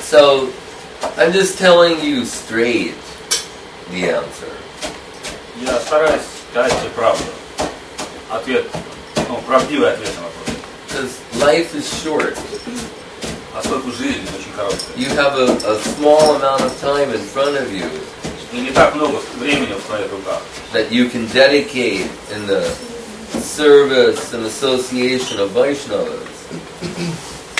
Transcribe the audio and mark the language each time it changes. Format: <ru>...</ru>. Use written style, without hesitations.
<en>So, I'm just telling you straight the answer.</en> <ru>Я стараюсь сказать тебе правду. Ответ, ну, правдивый ответ на вопрос.</ru> <en>Because life is short.</en> <ru>Поскольку жизнь очень короткая.</ru> <en>You have a small amount of time in front of you.</en> <ru>И не так много времени в твоих руках.</ru> <en>That you can dedicate in the service and association of Vaishnavas.</en>